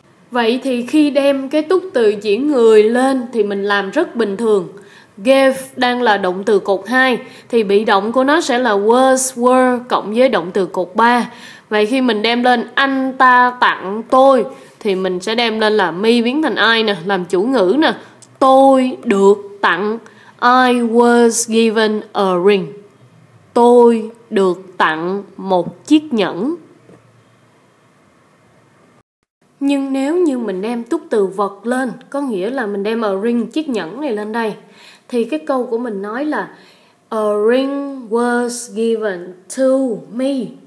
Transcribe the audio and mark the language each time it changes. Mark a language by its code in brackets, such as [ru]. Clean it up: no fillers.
[vi] Vậy thì khi đem cái túc từ chỉ người lên thì mình làm rất bình thường. Gave đang là động từ cột 2 thì bị động của nó sẽ là was, were cộng với động từ cột 3. Vậy khi mình đem lên anh ta tặng tôi thì mình sẽ đem lên là me biến thành I nè, làm chủ ngữ nè. Tôi được tặng, [en] I was given a ring. [vi] Tôi được tặng một chiếc nhẫn. Nhưng nếu như mình đem túc từ vật lên, có nghĩa là mình đem a ring, chiếc nhẫn này lên đây, thì cái câu của mình nói là [en] a ring was given to me.